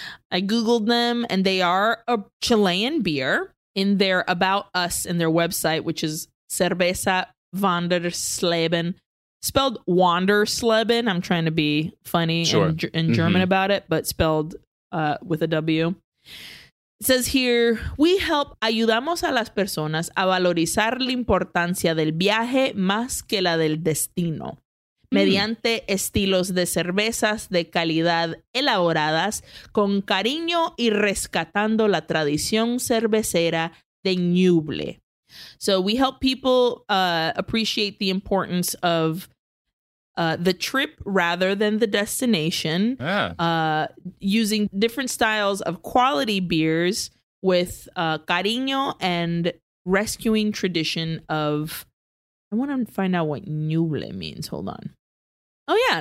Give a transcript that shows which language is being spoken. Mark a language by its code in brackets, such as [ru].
[en] I Googled them and they are a Chilean beer in their About Us in their website, which is Cerveza Vanderschleben, spelled Wandersleben. I'm trying to be funny in German about it, but spelled with a W. It says here, we help [es] ayudamos a las personas a valorizar la importancia del viaje más que la del destino. Mediante estilos de cervezas de calidad elaboradas con cariño y rescatando la tradición cervecera de Ñuble. [en] So we help people appreciate the importance of the trip rather than the destination. Using different styles of quality beers with cariño and rescuing tradition of, I want to find out what Ñuble means. Hold on. Oh, yeah.